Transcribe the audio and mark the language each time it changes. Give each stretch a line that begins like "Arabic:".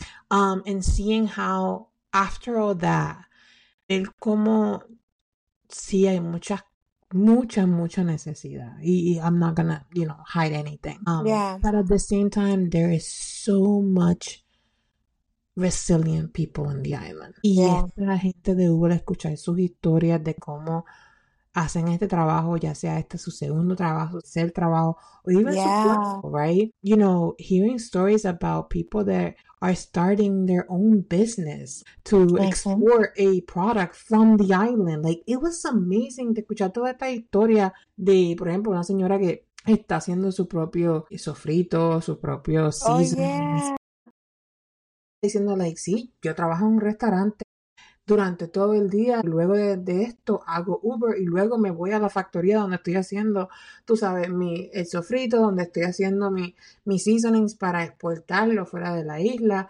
English: And seeing how after all that,
Spanish: el como sí hay mucha, mucha, mucha necesidad.
English: I'm not gonna, you know, hide anything. But at the same time, there is so much resilient people in the island.
Spanish: Y esta gente de Google escuchar sus historias de cómo hacen este trabajo, ya sea este su segundo trabajo, tercer trabajo, o even su cuarto, right?
English: You know, hearing stories about people that are starting their own business to export a product from the island. Like, it was amazing to
Spanish: escuchar toda esta historia de, por ejemplo, una señora que está haciendo su propio sofrito, su propio seasoning. Diciendo, like, sí, yo trabajo en un restaurante durante todo el día, luego de esto hago Uber y luego me voy a la factoría donde estoy haciendo, tú sabes, el sofrito, donde estoy haciendo mis seasonings para exportarlo fuera de la isla.